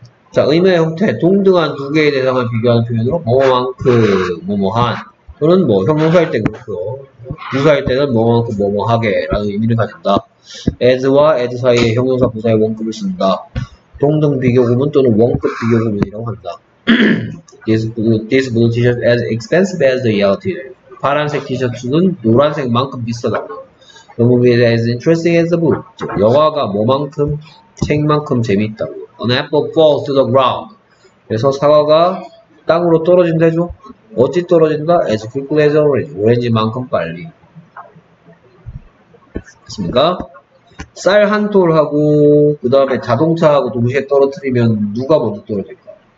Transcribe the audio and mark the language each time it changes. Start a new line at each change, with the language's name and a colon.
Korean: 자 의미의 형태 동등한 두 개의 대상을 비교하는 표현으로 뭐뭐만큼 뭐뭐한 또는 뭐 형용사일 때 그렇고 부사일 때는 뭐뭐만큼 뭐뭐하게라는 의미를 가진다. as와 as 사이의 형용사 부사의 원급을 쓴다. 동등 비교구문 또는 원급 비교구문이라고 한다.
English: this blue t-shirt as expensive as the yellow t-shirt.
Korean: 파란색 티셔츠는 노란색만큼 비싸다.
English: The movie is as interesting as the book.
Korean: 즉, 영화가 뭐만큼 책만큼 재미있다고.
English: An apple falls to the ground.
Korean: 그래서 사과가 땅으로 떨어진대죠. 어찌 떨어진다?
English: As quickly as orange.
Korean: 오렌지만큼 빨리. 됐습니까? 쌀 한 톨 하고 그 다음에 자동차하고 동시에 떨어뜨리면 누가 먼저 떨어질까?